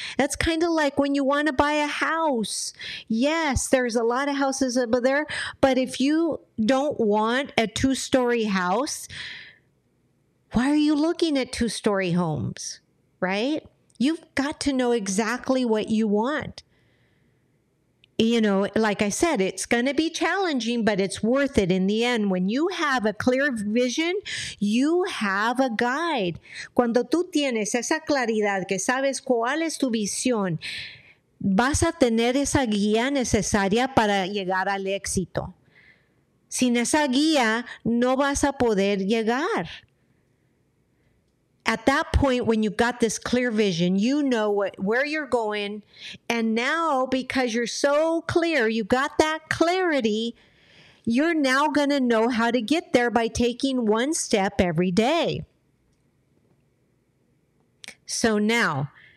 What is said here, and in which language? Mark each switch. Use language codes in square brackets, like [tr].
[en] That's kind of like when you want to buy a house. Yes, there's a lot of houses over there, but if you don't want a two-story house, why are you looking at two-story homes, right? You've got to know exactly what you want. You know, like I said, it's going to be challenging, but it's worth it in the end. When you have a clear vision, you have a guide. [es] Cuando tú tienes esa claridad, que sabes cuál es tu visión, vas a tener esa guía necesaria para llegar al éxito. Sin esa guía, no vas a poder llegar. [en] At that point, when you've got this clear vision, you know where you're going. And now, because you're so clear, you got that clarity, you're now going to know how to get there by taking one step every day. So now,